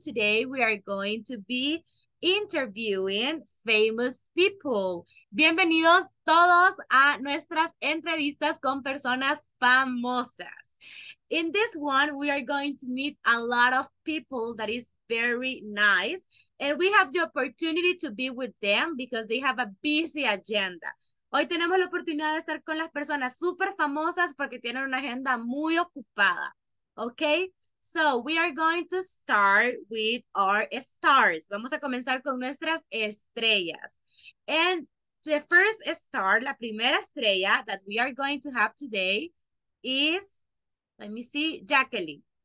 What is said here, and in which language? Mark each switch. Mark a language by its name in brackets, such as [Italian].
[English] Today we are going to be interviewing famous people. [Spanish] Bienvenidos todos a nuestras entrevistas con personas famosas. [English] In this one, we are going to meet a lot of people that is very nice, and we have the opportunity to be with them because they have a busy agenda. [Spanish] Hoy tenemos la oportunidad de estar con las personas súper famosas porque tienen una agenda muy ocupada, ¿ok? [English] So we are going to start with our stars. [Spanish] Vamos a comenzar con nuestras estrellas. [English] And the first star, [Spanish] la primera estrella [English] that we are going to have today is, let me see, Jacqueline.